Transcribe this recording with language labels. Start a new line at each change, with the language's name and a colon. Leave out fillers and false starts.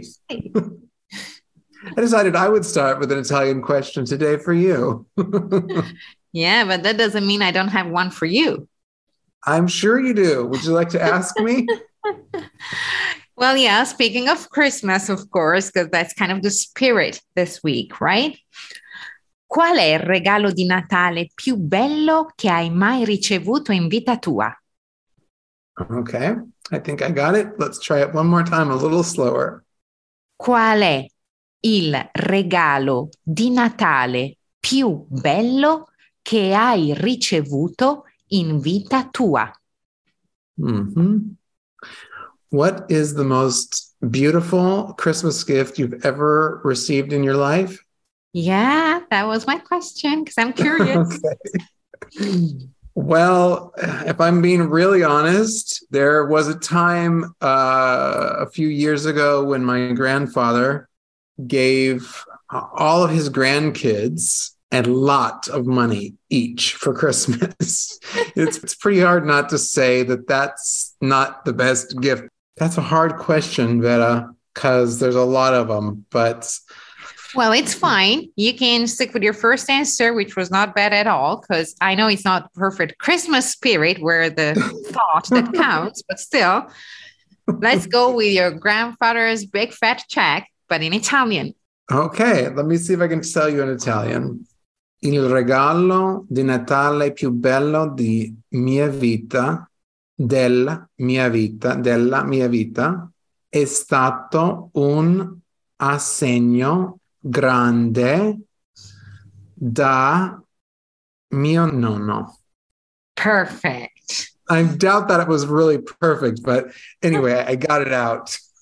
English: I decided I would start with an Italian question today for you. Yeah, but that doesn't mean I don't have one for you. I'm sure you do. Would you like to ask me? Well, yeah, speaking of Christmas, of course, because that's kind of the spirit this week, right?
Italian: Qual è il regalo di Natale più bello che hai mai ricevuto in vita tua?
English: Okay, I think I got it. Let's try it one more time, a little slower.
Italian: Qual è il regalo di Natale più bello che hai ricevuto in vita tua? Mm-hmm.
English: What is the most beautiful Christmas gift you've ever received in your life? Yeah, that was my question, because I'm curious. Well, if I'm being really honest, there was a time a few years ago when my grandfather gave all of his grandkids a lot of money each for Christmas. It's pretty hard not to say that that's not the best gift. That's a hard question, Vera, because there's a lot of them, but... Well, it's fine. You can stick with your first answer, which was not bad at all, because I know it's not perfect Christmas spirit where the thought that counts, but still, let's go with your grandfather's big fat check, but in Italian. Okay, let me see if I can tell you in Italian.
Italian: Il regalo di Natale più bello di mia vita, della mia vita, è stato un assegno grande da mio nonno.
English: Perfect. I doubt that it was really perfect, but anyway, I got it out.